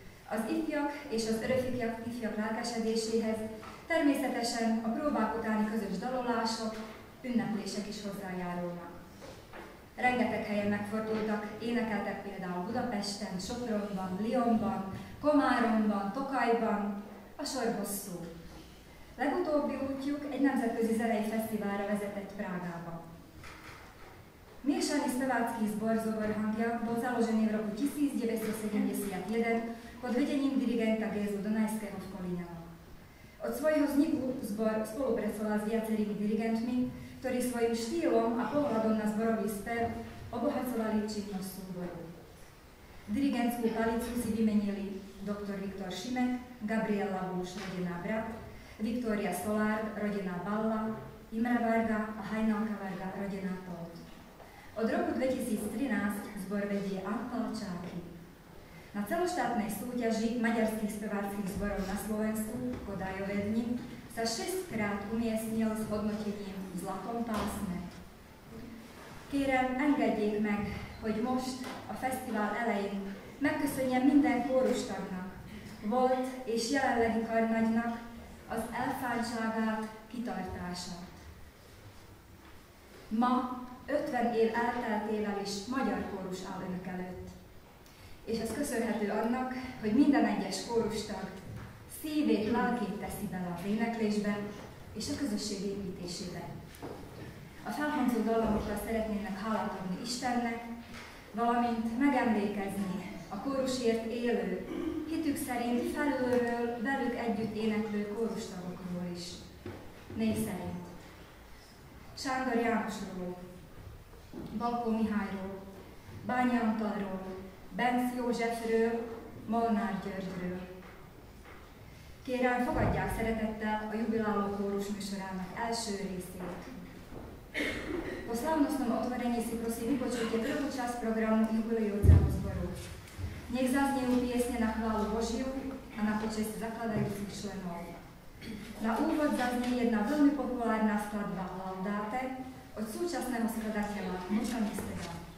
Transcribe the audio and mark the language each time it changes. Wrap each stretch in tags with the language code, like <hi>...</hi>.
<hu>Az ifjak és az öröfifjak lelkesedéséhez természetesen a próbák utáni közös dalolások, ünneplések is hozzájárulnak. Rengeteg helyen megfordultak, énekeltek például Budapesten, Sopronban, Lyonban, Komáromban, Tokajban, a sor hosszú. Legutóbbi útjuk egy nemzetközi zenei fesztiválra vezetett Prágába.</hu> <sk>Miešaný spevácky zbor Zobornangja bol založený v roku 1971 pod vedením dirigenta Gézu Dunajského v Kolíne. Od svojho vzniku zbor spolupracoval s viacerými dirigentmi, ktorí svojim štýlom a pohľadom na zborový spev obohacovali činnosť súboru. Dirigentskú palicu si vymenili dr. Viktor Šimek, Gabriela Búš, rodená Brat, Viktória Szolár, rodená Balla, Imre Varga a Hajnalka Varga, rodená Tóth. Od roku 2013 zbor vedie Antal Csáki. Na celoštátnej súťaži maďarských speváckých zborov na Slovensku, Kodájové dni, sa 6-krát umiestnil s hodnotením Zlatom pásme.</sk> <hu>Kérem, engedjék meg, hogy most a fesztivál elején megköszönjem minden kórustagnak, volt és jelenlegi karnagynak az elfáradtságát, kitartását. Ma 50 év elteltével is magyar kórus áll Önök előtt. És ez köszönhető annak, hogy minden egyes kórustag szívét, lelkét teszi bele a éneklésbe és a közösség építésébe. A felhangzó dallamokra szeretnének hálát adni Istennek, valamint megemlékezni a kórusért élő, hitük szerint felülről velük együtt éneklő kórustagokról is. Név szerint Sándor Jánosról, Balkó Mihályról, Bányi Antalról, Benc Józsefről, Molnár Györgyről. Kérem, fogadják szeretettel a jubiláló kórus műsorának első részét.</hu> <sk>Po slávnostnom otvorení si prosím vypočujte prvú časť programu jubilujúceho zboru. Nech zaznejú piesne na chválu Božiu a na počest zakladajúcich členov. Na úvod zaznie jedna veľmi populárna skladba Laudate od súčasného skladateľa Muša Mistera.</sk>